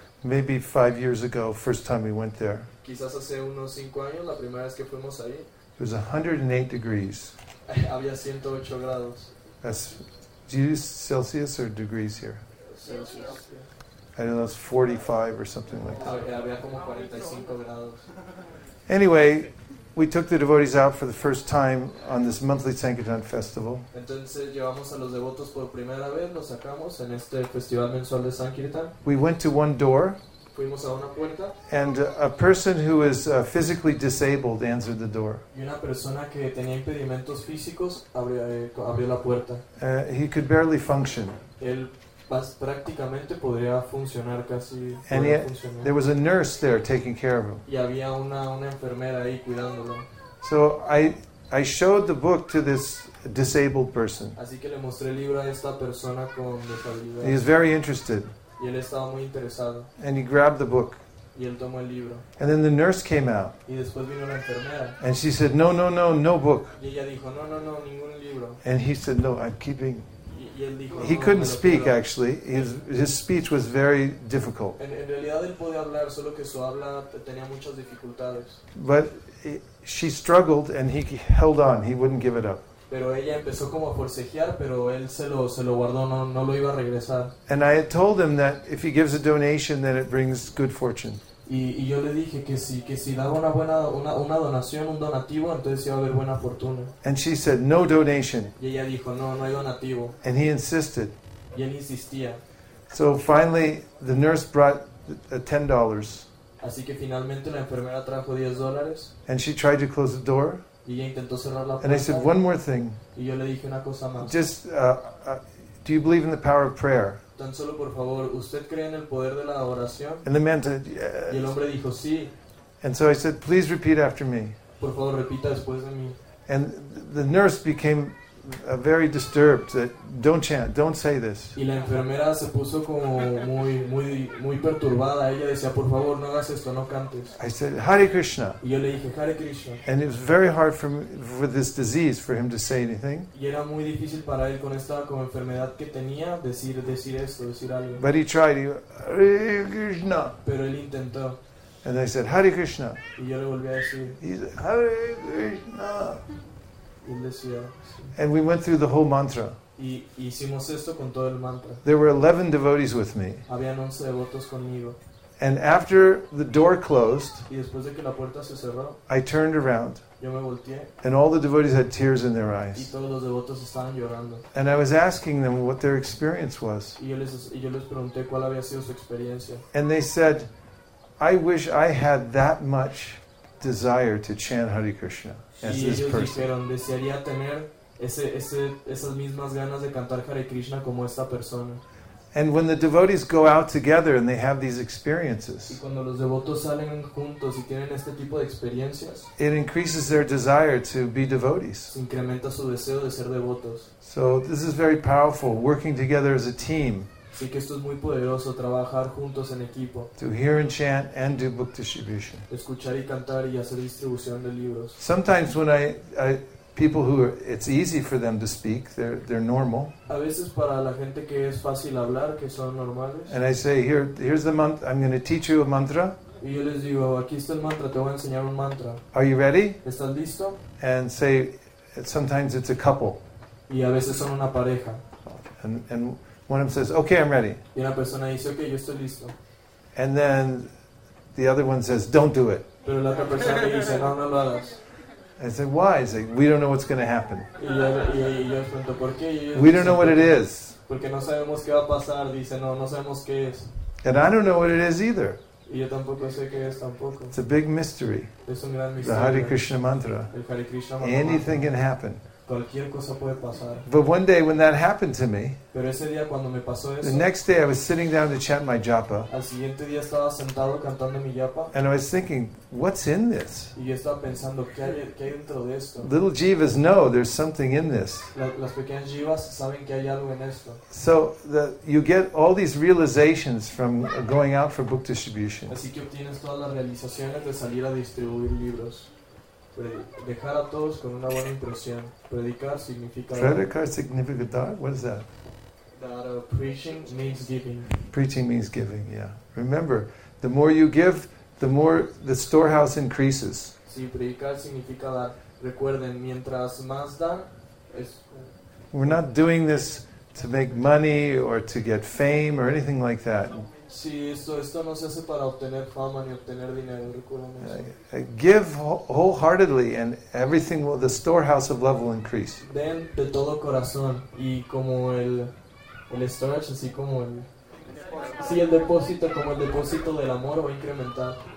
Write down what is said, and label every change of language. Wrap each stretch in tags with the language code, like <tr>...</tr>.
<en>Maybe 5 years ago, first time we went there.</en> <es>Quizás hace unos 5 años, la primera vez que fuimos ahí.</es> <en>It was 108 degrees.</en> <es>Había 108 grados.</es> <en>Do you use Celsius or degrees here? Celsius. I don't know, it's 45 or something like that.</en> <es>Había como 45 grados.</es> <en>Anyway, we took the devotees out for the first time on this monthly Sankirtan festival.</en> <es>Entonces llevamos a los devotos por primera vez, los sacamos en este festival mensual de Sankirtan.</es> <en>We went to one door.</en> <es>Fuimos a una puerta.</es> <en>And a person who is physically disabled answered the door.</en> <es>Y una persona que tenía impedimentos físicos abrió la puerta.</es> <en>He could barely function.</en> <es>Él prácticamente podría funcionar casi.</es> <en>And yet, there was a nurse there taking care of him.</en> <es>Y había una enfermera ahí cuidándolo.</es> <en>So I showed the book to this disabled person.</en> <es>Así que le mostré el libro a esta persona con discapacidad.</es> <en>He was very interested.</en> <es>Y él estaba muy interesado.</es> <en>And he grabbed the book.</en> <es>Y él tomó el libro.</es> <en>And then the nurse came out.</en> <es>Y después vino la enfermera.</es> <en>And she said, no, no, no, no book.</en> <es>Y ella dijo, no, no, no, ningún libro.</es> <en>And he said, no, I'm keeping.</en> <es>Dijo,</es> <en>he</en> <es>no,</es> <en>couldn't</en> <es>no,</es> <en>speak,</en> <es>pero,</es> <en>actually. His speech was very difficult.</en> <es>En realidad él podía hablar, solo que su habla tenía muchas dificultades.</es> <en>But she struggled, and he held on. He wouldn't give it up.</en> <es>Pero ella empezó como a forcejear, pero él se lo guardó, no lo iba a regresar.</es> <en>And I had told him that if he gives a donation, then it brings good fortune.</en> <es>Y yo le dije que si daba una donación, un donativo, entonces iba a haber buena fortuna.</es> <en>And she said, no donation.</en> <es>Y ella dijo, no hay donativo.</es> <en>And he insisted.</en> <es>Y él insistía.</es> <en>So finally, the nurse brought $10.</en> <es>Así que finalmente la enfermera trajo $10.</es> <en>And she tried to close the door.</en> <es>Y ella intentó cerrar la puerta.</es> <en>And I said, one more thing.</en> <es>Y yo le dije una cosa más.</es> <en>Just, do you believe in the power of prayer?</en> <es>Tan solo por favor, ¿usted cree en el poder de la oración?</es> <en>And the man said, yes.</en> <es>Y el hombre dijo, sí.</es> <en>And so I said, please repeat after me.</en> <es>Por favor, repita después de mí.</es> <en>And the nurse became very disturbed, that don't chant, don't say this.</en> <es>Y la enfermera se puso como muy, muy, muy perturbada. Ella decía, por favor, no hagas esto, no cantes.</es> <en>I said, Hare Krishna.</en> <es>Y yo le dije, Hare Krishna.</es> <en>And it was very hard for this disease for him to say anything.</en> <es>Y era muy difícil para él con esta como enfermedad que tenía decir esto, decir algo.</es> <en>But he tried, Hare Krishna.</en> <es>Pero él intentó.</es> <en>And I said, Hare Krishna.</en> <es>Y yo le volví a decir,</es> <en>he said, Hare Krishna.</en> <es>Iglesia.</es> <en>And we went through the whole mantra.</en> <es>Y hicimos esto con todo el mantra.</es> <en>There were 11 devotees with me.</en> <es>Habían 11 devotos conmigo.</es> <en>And after the door closed,</en> <es>y después de que la puerta se cerró,</es> <en>I turned around.</en> <es>Yo me volteé.</es> <en>And all the devotees had tears in their eyes.</en> <es>Y todos los devotos estaban llorando.</es> <en>And I was asking them what their experience was.</en> <es>Y yo les pregunté cuál había sido su experiencia.</es> <en>And they said, I wish I had that much desire to chant Hare Krishna. As</en> <es>y ellos dijeron, desearía tener esas mismas ganas de cantar Hare Krishna como esta persona.</es> <en>And when the devotees go out together and they have these experiences,</en> <es>y cuando los devotos salen juntos y tienen este tipo de experiencias,</es> <en>it increases their desire to be devotees.</en> <es>Incrementa su deseo de ser devotos.</es> <en>So this is very powerful, working together as a team.</en> <es>Así que esto es muy poderoso, trabajar juntos en equipo.</es> <en>To hear and chant and do book distribution.</en> <es>Escuchar y cantar y hacer distribución de libros.</es> <en>Sometimes when I people who are, it's easy for them to speak, they're normal.</en> <es>A veces para la gente que es fácil hablar, que son normales.</es> <en>And I say, here's the mantra, I'm going to teach you a mantra.</en> <es>Y yo les digo, aquí está el mantra, te voy a enseñar un mantra.</es> <en>Are you ready?</en> <es>¿Estás listo?</es> <en>And say, sometimes it's a couple.</en> <es>Y a veces son una pareja.</es> <en>And one of them says, okay, I'm ready.</en> <es>Y una persona dice, okay, yo estoy listo.</es> <en>And then the other one says, don't do it.</en> <es>Pero la otra persona me dice, no, no lo hagas.</es> <en>I said, why? He said, we don't know what's going to happen.</en> <es>Y yo pregunto, ¿por qué?</es> <en>We don't know what it is.</en> <es>Porque no sabemos qué va a pasar. Dice, no sabemos qué es.</es> <en>And I don't know what it is either.</en> <es>Y yo tampoco sé qué es tampoco.</es> <en>It's a big mystery.</en> <es>Es un gran misterio.</es> <en>The Hare Krishna mantra.</en> <es>El Hare Krishna mantra.</es> <en>Anything can happen.</en> <es>Cualquier cosa puede pasar.</es> <en>But one day when that happened to me,</en> <es>pero ese día cuando me pasó eso,</es> <en>the next day I was sitting down to chant my japa,</en> <es>al siguiente día estaba sentado cantando mi japa,</es> <en>and I was thinking, what's in this?</en> <es>Y yo estaba pensando, ¿qué hay dentro de esto?</es> <en>Little jivas know there's something in this.</en> <es>Las pequeñas jivas saben que hay algo en esto.</es> <en>So you get all these realizations from going out for book distribution.</en> <es>Así que obtienes todas las realizaciones de salir a distribuir libros. Dejar a todos con una buena impresión. Predicar significa dar. Predicar significa dar.</es> <en>What is that? That preaching means giving. Preaching means giving, yeah. Remember, the more you give, the more the storehouse increases.</en> <es>Sí, predicar significa dar. Recuerden, mientras más dan, es.</es> <en>We're not doing this to make money or to get fame or anything like that.</en> <es>Si esto no se hace para obtener fama ni obtener dinero, recuérdame.</es> <en>Give wholeheartedly and everything will, the storehouse of love will increase.</en> <es>Den de todo corazón y como el storage, así como el sí, el depósito, como el depósito del amor va a incrementar.</es>